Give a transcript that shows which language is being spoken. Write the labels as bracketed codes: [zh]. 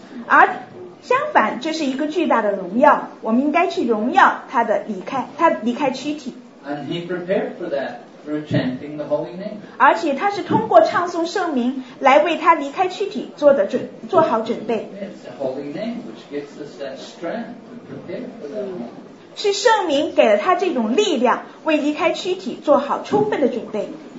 [zh] 而相反这是一个巨大的荣耀，我们应该去荣耀他的离开，他离开躯体。 [en] And he prepared for that. Through chanting the holy name. [zh] 而且他是通过唱诵圣名来为他离开躯体做好准备。 [en] It's the holy name which gives us that strength to prepare for that. [zh] 是圣明给了他这种力量，为离开躯体做好充分的准备。